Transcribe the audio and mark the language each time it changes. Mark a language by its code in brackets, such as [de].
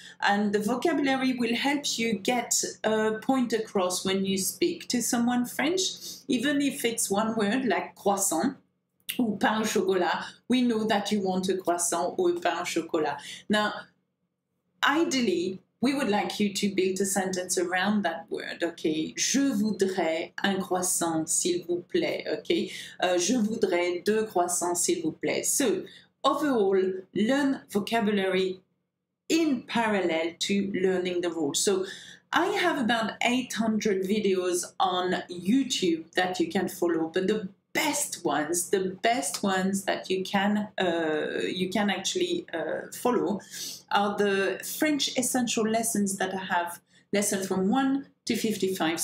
[en] And the vocabulary will help you get a point across when you speak to someone French, even if it's one word like croissant ou pain au chocolat. We know that you want a croissant or a pain au chocolat. Now, ideally, we would like you to build a sentence around that word, okay? [fr] Je voudrais un croissant, s'il vous plaît, okay? Je voudrais deux croissants, s'il vous plaît. [en] So, overall, learn vocabulary in parallel to learning the rules. So, I have about 800 videos on YouTube that you can follow, but the best ones that you can actually follow are the French essential lessons that I have, lessons from 1 to 55.